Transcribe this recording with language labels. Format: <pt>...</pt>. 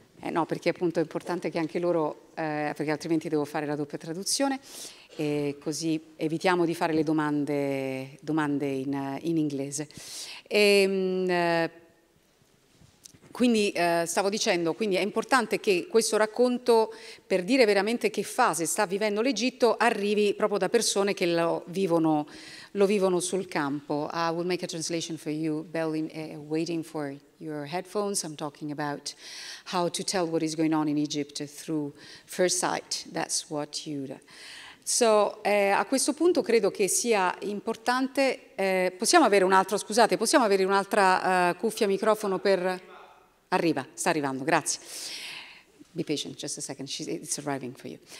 <it>No, perché appunto è importante che anche loro, perché altrimenti devo fare la doppia traduzione, e così evitiamo di fare le domande in inglese. E, quindi stavo dicendo, quindi è importante che questo racconto, per dire veramente che fase sta vivendo l'Egitto, arrivi proprio da persone che lo vivono sul campo.</it> <en>I will make a translation for you, Bel, waiting for your headphones. I'm talking about how to tell what is going on in Egypt through first sight. That's what you do.</en> <it>So, a questo punto credo che sia importante, possiamo avere un altro, scusate, possiamo avere un'altra cuffia, microfono per... Arriva, sta arrivando, grazie.</it> <en>Be patient, just a second, it's arriving for you.</en>